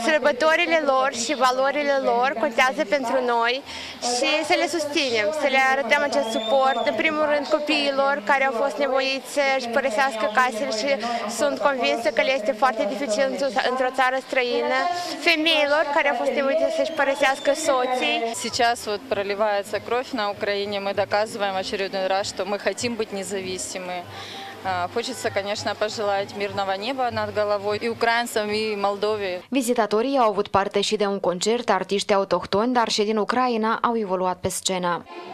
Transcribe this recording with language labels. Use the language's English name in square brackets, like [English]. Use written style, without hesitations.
[Romanian] Sărbătorile lor și valorile lor contează pentru noi și să le susținem, să le arătăm acest suport. În primul rând copiilor care au fost nevoiți să-și părăsească casele și sunt convinsă că le este foarte dificil într-o țară străină. Femeilor care au fost nevoite să-și părăsească soții. [Russian] Сейчас вот проливается кровь на Украине, мы доказываем очередной раз, что мы хотим быть независимы. Хочется, конечно, пожелать мирного неба над головой и украинцам, и Молдове. [Romanian] Визитаторii au avut parte și de un concert, artiști autohtoni, dar și din Ucraina au evoluat pe scenă.